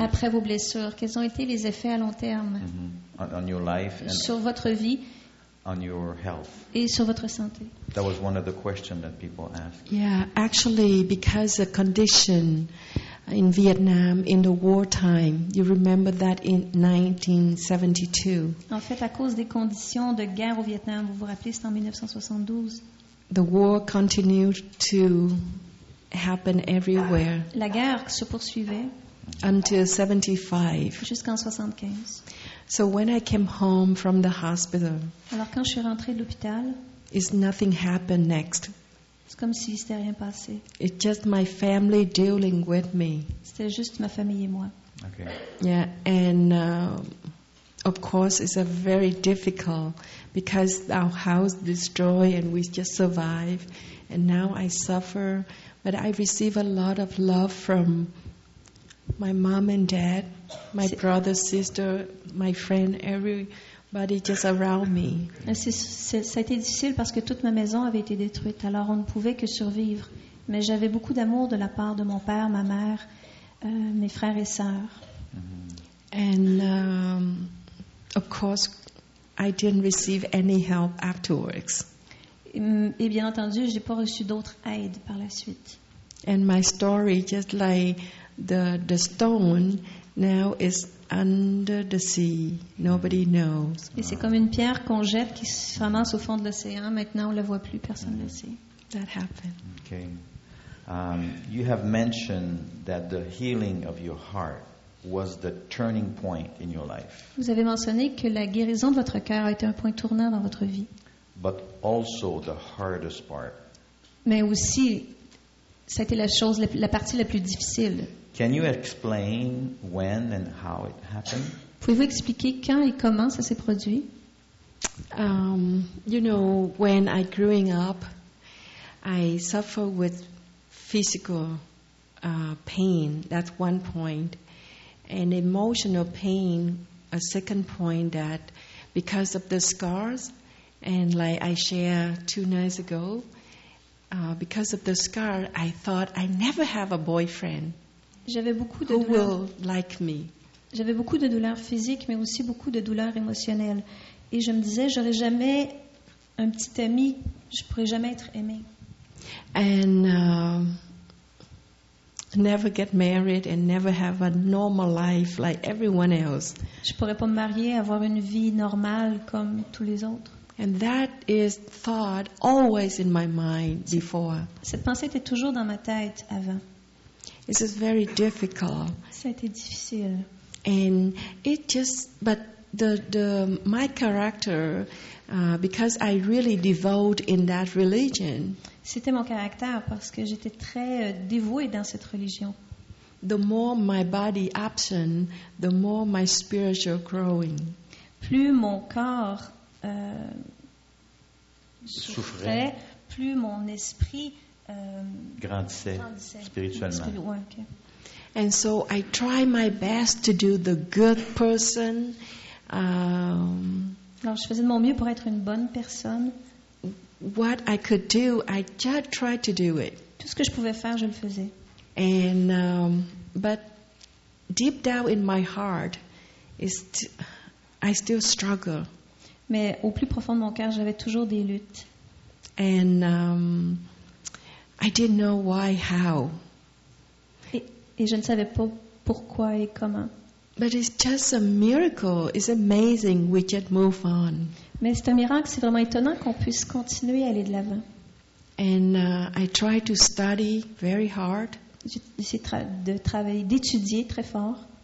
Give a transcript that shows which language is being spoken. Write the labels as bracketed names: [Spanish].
[French] Après vos blessures, quels ont été les effets à long terme? [English] On your life and [French] sur votre vie, [English] on your health [French] et sur votre santé. [English] That was one of the questions that people asked. Yeah, actually, because the condition in Vietnam in the wartime, you remember that in 1972. [French] En fait, à cause des conditions de guerre au Vietnam, vous vous rappelez, c'est en 1972. [English] The war continued to happen everywhere. [French] La guerre se poursuivait. [English] Until 75. [French] Jusqu'en 75. [English] So when I came home from the hospital. [French] Alors quand je suis rentrée de l'hôpital. [English] Is nothing happened next? [French] C'est comme si c'était rien passé. [English] It's just my family dealing with me. [French] C'était juste ma famille et moi. [English] Okay. Yeah, and of course, is a very difficult because our house destroyed and we just survived. And now I suffer. But I receive a lot of love from my mom and dad, my brother, sister, my friend, everybody just around me. [French] Ça a été difficile parce que toute ma maison avait été détruite, alors on ne pouvait que survivre. Mais j'avais beaucoup d'amour de la part de mon père, ma mère, mes frères et sœurs. [English] And of course, I didn't receive any help afterwards. [French] Et bien entendu, j'ai pas reçu d'autres aides par la suite. [English] And my story, just like the stone, now is under the sea. Nobody knows. [French] Et c'est comme une pierre qu'on jette qui se ramasse au fond de l'océan. Maintenant, on la voit plus. Personne ne sait. [English] That happened. Okay. You have mentioned that the healing of your heart was the turning point in your life. [French] Vous avez mentionné que la guérison de votre cœur a été un point tournant dans votre vie. [English] But also the hardest part. [French] Mais aussi, ça a été la partie la plus difficile. [English] Can you explain when and how it happened? [French] Pouvez-vous expliquer quand et comment ça s'est produit? [English] You know, when I growing up, I suffered with physical pain. That's one point. And emotional pain, a second point, that because of the scars, and like I shared 2 nights ago, because of the scar, I thought I never have a boyfriend. [French] J'avais beaucoup de [English] who [French] douleurs. [English] Will like me. [French] J'avais beaucoup de douleurs physiques, mais aussi beaucoup de douleurs émotionnelles. Et je me disais, j'aurai jamais un petit ami, je pourrai jamais être aimée. [English] And never get married and never have a normal life like everyone else. [French] Je pourrais pas me marier, avoir une vie normale comme tous les autres. [English] And that is thought always in my mind before. [French] Cette pensée était toujours dans ma tête avant. [English] This is very difficult. [French] Ça a été difficile. [English] And it just, but the my character, because I really devote in that religion. [French] C'était mon caractère parce que j'étais très dévouée dans cette religion. [English] The more my body absent, the more my spiritual growing. [French] Plus mon corps souffrait, plus mon esprit grandissait spirituellement. [English] And so I try my best to do the good person. [French] Alors je faisais de mon mieux pour être une bonne personne. [English] What I could do, I just tried to do it. [French] Tout ce que je pouvais faire, je le faisais. [English] And but deep down in my heart, I still struggle. [French] Mais au plus profond de mon cœur, j'avais toujours des luttes. [English] And I didn't know why, how. [French] Et je ne savais pas pourquoi et comment. [English] But it's just a miracle. It's amazing we just move on. [French] Mais c'est un miracle, c'est vraiment étonnant qu'on puisse continuer à aller de l'avant. [English] And I try to study very hard. [French] J'essaie de travailler, d'étudier très fort.